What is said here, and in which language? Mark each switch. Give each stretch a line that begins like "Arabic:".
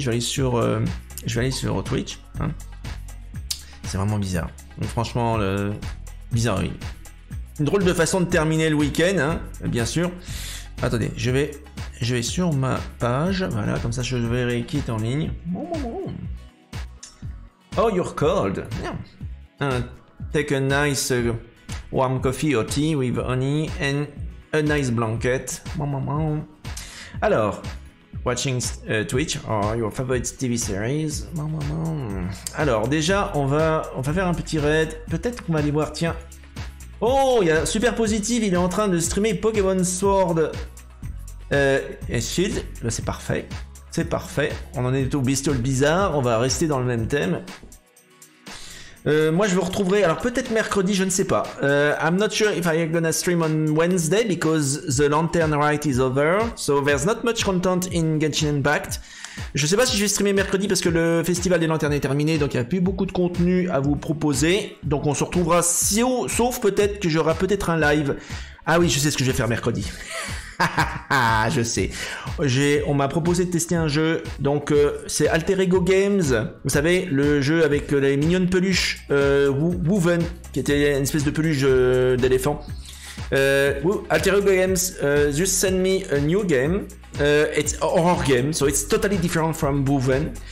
French: Je vais aller sur Twitch. Hein. C'est vraiment bizarre. Donc, franchement, bizarroïde. Une drôle de façon de terminer le week-end, hein, bien sûr. Attendez, je vais sur ma page, voilà, comme ça je verrai qui est en ligne.
English: Oh, you're cold. Yeah. Take a nice warm coffee or tea with honey and a nice blanket.
French: Alors,
English: watching Twitch or your favorite TV series.
French: Alors, déjà, on va faire un petit raid. Peut-être qu'on va aller voir, tiens. Oh, il y a Super Positive, il est en train de streamer Pokémon Sword. Et Shield, bah c'est parfait. C'est parfait. On en est au bestiole bizarre. On va rester dans le même thème. Moi, je vous retrouverai. Alors, peut-être mercredi, je ne sais pas.
English: I'm not sure if I'm gonna stream on Wednesday because the Lantern Rite is over. So, there's not much content in Genshin Impact.
French: Je ne sais pas si je vais streamer mercredi parce que le festival des lanternes est terminé. Donc, il n'y a plus beaucoup de contenu à vous proposer. Donc, on se retrouvera si haut. Sauf peut-être que j'aurai peut-être un live. Ah oui, je sais ce que je vais faire mercredi. Je sais. On m'a proposé de tester un jeu. Donc, c'est Alter Ego Games. Vous savez, le jeu avec les mignonnes peluches Woven, qui était une espèce de peluche d'éléphant.
English: Alter Ego Games, just send me a new game. It's a horror game, so it's totally different from Woven.